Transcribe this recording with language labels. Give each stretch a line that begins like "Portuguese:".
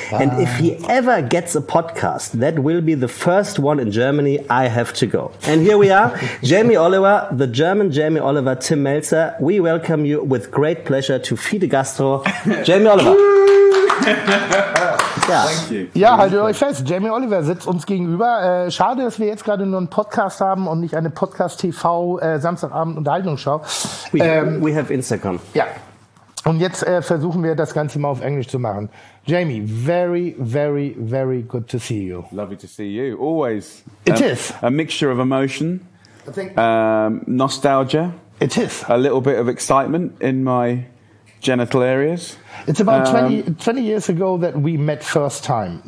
English: And if he ever gets a podcast, that will be the first one in Germany I have to go. And here we are, Jamie Oliver, the German Jamie Oliver, Tim Melzer. We welcome you with great pleasure to Fide Gastro, Jamie Oliver.
German: Ja, haltet euch fest. Jamie Oliver sitzt uns gegenüber. Schade, dass wir jetzt gerade nur einen Podcast haben und nicht eine Podcast-TV Samstagabend Unterhaltungsshow.
English: We have Instagram.
German: Ja. Und jetzt versuchen wir das Ganze mal auf Englisch zu machen.
English: Jamie, very, very, very good to see you. Lovely to see you. Always. It is. A mixture of emotion. I think. Nostalgia. It is. A little bit of excitement in my genital areas. It's about 20 years ago that we met first time.